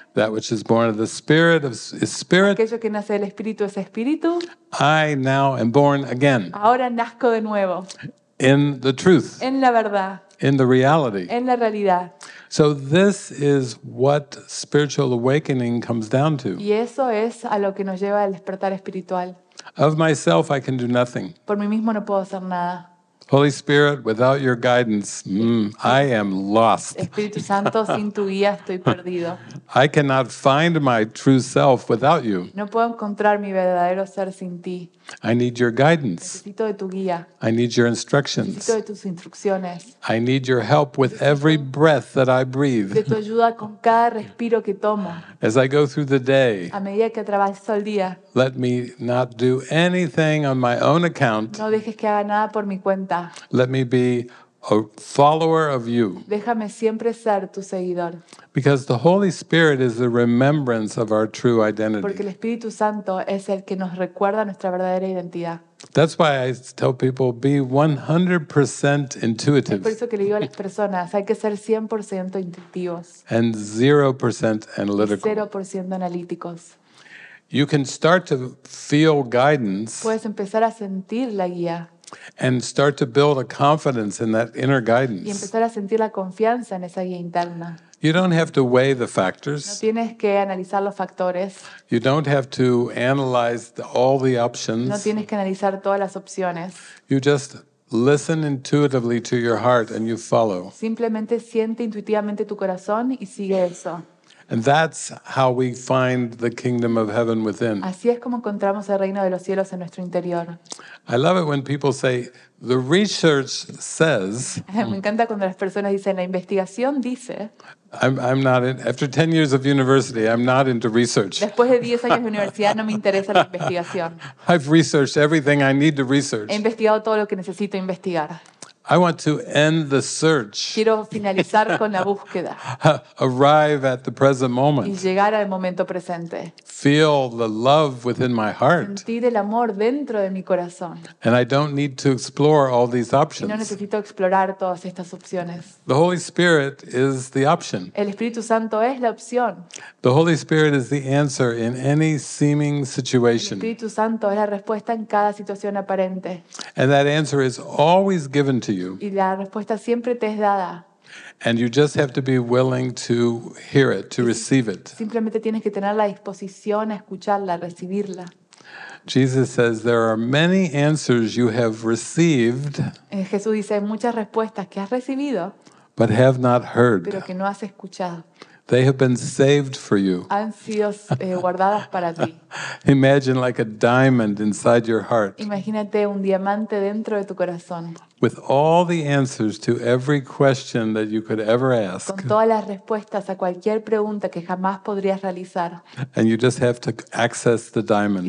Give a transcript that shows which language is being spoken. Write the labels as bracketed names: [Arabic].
[English] That which is born of the spirit is spirit. [Spanish] Aquello que nace del espíritu es espíritu. [English] I now am born again. [Spanish] Ahora nazco de nuevo. [English] In the truth. [Spanish] En la verdad. [English] In the reality. [Spanish] En la realidad. [English] So this is what spiritual awakening comes down to. [Spanish] Y eso es a lo que nos lleva al despertar espiritual. [English] Of myself, I can do nothing. [Spanish] Por mí mismo no puedo hacer nada. [English] Holy Spirit, without your guidance, I am lost. [Spanish] Espíritu Santo, sin tu guía estoy perdido. [English] I cannot find my true self without you. [Spanish] No puedo encontrar mi verdadero ser sin ti. [English] I need your guidance. [Spanish] Necesito de tu guía. [English] I need your instructions. [Spanish] Necesito de tus instrucciones. [English] I need your help with every breath that I breathe. [Spanish] De tu ayuda con cada respiro que tomo. [English] As I go through the day, [Spanish] a medida que atravieso el día, [English] let me not do anything on my own account. [Spanish] No dejes que haga nada por mi cuenta. [English] Let me be a follower of you. [Spanish] Déjame siempre ser tu seguidor. [English] Because the Holy Spirit is the remembrance of our true identity. [Spanish] Porque el Espíritu Santo es el que nos recuerda nuestra verdadera identidad. [English] That's why I tell people be 100% intuitive. [Spanish] Es por eso que le digo a las personas, hay que ser 100% intuitivos. [English] And 0% analytical. [Spanish] 0% analíticos. [English] You can start to feel guidance. [Spanish] Puedes empezar a sentir la guía. [English] And start to build a confidence in that inner guidance. [Spanish] Y empezar a sentir la confianza en esa guía interna. [English] You don't have to weigh the factors. [Spanish] No tienes que analizar los factores. [English] You don't have to analyze all the options. [Spanish] No tienes que analizar todas las opciones. [English] You just listen intuitively to your heart and you follow. [Spanish] Simplemente siente intuitivamente tu corazón y sigue eso. [English] And that's how we find the kingdom of heaven within. [Spanish] Así es como encontramos el reino de los cielos en nuestro interior. [English] I love it when people say, the research says. [Spanish] Me encanta cuando las personas dicen, la investigación dice. [English] I'm not in, after 10 years of university, I'm not into research. [Spanish] Después de 10 años de universidad, no me interesa la investigación. [English] I've researched everything I need to research. [Spanish] He investigado todo lo que necesito investigar. [English] I want to end the search. [Spanish] Quiero finalizar con la búsqueda. [English] Arrive at the present moment. [Spanish] Y llegar al momento presente. [English] Feel the love within my heart. [Spanish] Sentir el amor dentro de mi corazón. [English] And I don't need to explore all these options. [Spanish] Y no necesito explorar todas estas opciones. [English] The Holy Spirit is the option. [Spanish] El Espíritu Santo es la opción. [English] The Holy Spirit is the answer in any seeming situation. [Spanish] El Espíritu Santo es la respuesta en cada situación aparente. [English] And that answer is always given to you. [Spanish] Y la respuesta siempre te es dada. [English] And you just have to be willing to hear it, to receive it. [Spanish] Simplemente tienes que tener la disposición a escucharla, a recibirla. [English] Jesus says there are many answers you have received. [Spanish] Jesús dice hay muchas respuestas que has recibido, [English] but have not heard. [Spanish] Pero que no has escuchado. [English] They have been saved for you. [Spanish] Han sido guardadas para ti. [English] Imagine like a diamond inside your heart. [Spanish] Imagínate un diamante dentro de tu corazón. [English] With all the answers to every question that you could ever ask. [Spanish] Con todas las respuestas a cualquier pregunta que jamás podrías realizar. [English] And you just have to access the diamond.